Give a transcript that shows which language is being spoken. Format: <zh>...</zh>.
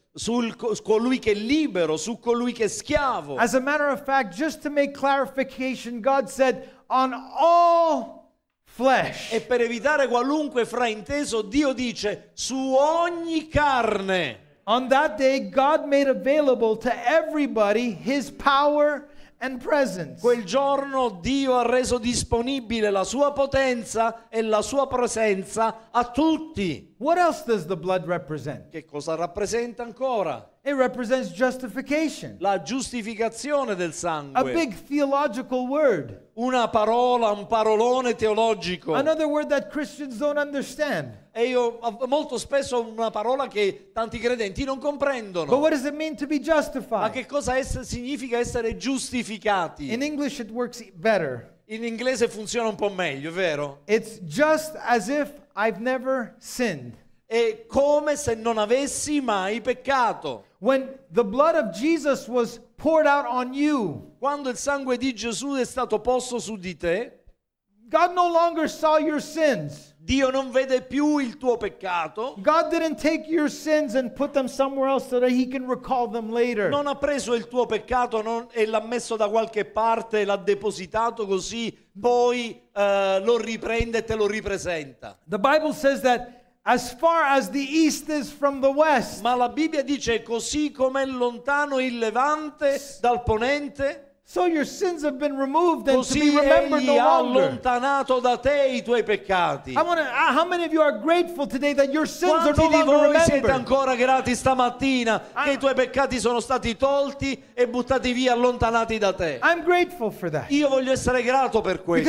<it>Sul colui che è libero, su colui che è schiavo.</it> <en>As a matter of fact, just to make clarification, God said, on all flesh.</en> <it>E per evitare qualunque frainteso, Dio dice, su ogni carne.</it> <en>On that day, God made available to everybody his power and presence.</en> <it>Quel giorno Dio ha reso disponibile la sua potenza e la sua presenza a tutti.</it> <en>What else does the blood represent?</en> <it>Che cosa rappresenta ancora?</it> <en>It represents justification.</en> <it>La giustificazione del sangue.</it> <en>A big theological word.</en> <it>Una parola, un parolone teologico.</it> <en>Another word that Christians don't understand.</en> <it>E io molto spesso una parola che tanti credenti non comprendono.</it> <en>But what does it mean to be justified?</en> <it>Ma che cosa significa essere giustificati?</it> <en>In English it works better.</en> <it>In inglese funziona un po' meglio, vero?</it> <en>It's just as if I've never sinned.</en> <it>È come se non avessi mai peccato.</it> <en>When the blood of Jesus was poured out on you,</en> <it>quando il sangue di Gesù è stato posto su di te,</it> <en>God no longer saw your sins.</en> <it>Dio non vede più il tuo peccato.</it> <en>God didn't take your sins and put them somewhere else so that he can recall them later.</en> <it>Non ha preso il tuo peccato e l'ha messo da qualche parte, l'ha depositato così poi lo riprende e te lo ripresenta.</it> <en>The Bible says that As far as the east is from the west.</en> <it>Ma la Bibbia dice così com'è lontano il Levante dal ponente.</it> <en>So your sins have been removed and</en> <it>così</it> <en>to be remembered no longer.</en> <it>Ha allontanato da te i tuoi peccati.</it> <en>How many of you are grateful today that your sins</en> <it>quanti</it> <en>are no</en> <it>di</it> <en>longer</en> <it>voi</it> <en>remembered?</en> <it>Siete ancora grati stamattina che i tuoi peccati sono stati tolti e buttati via, allontanati da te.</it> <en>I'm grateful for that.</en> <it>Io voglio essere grato per questo.</it>